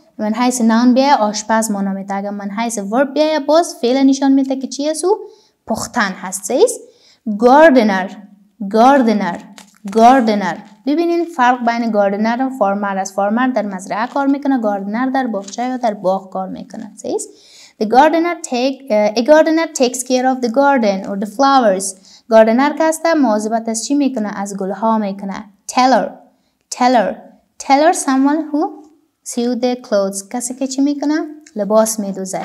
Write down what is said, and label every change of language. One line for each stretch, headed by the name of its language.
Persian: من حیث نان بیایه آشپز مانا میده. اگر من حیث ورب بیایه باز فعل نشان میده که چی هست؟ پختن هست. گاردنر. گاردنر. گاردنر. ببینین فرق بین گاردنر و فارمر است. فارمر در مزرعه کار میکنه. گاردنر در باغچه یا در باغ کار میکنه. سیز.
English: A gardener takes care of the garden or the flowers.
Persian: Gardener کسته مواظبت از چی میکنه؟ از گلها میکنه.
English: Tailor someone who sew the clothes.
Persian: کسی که چی میکنه؟ لباس میدوزه.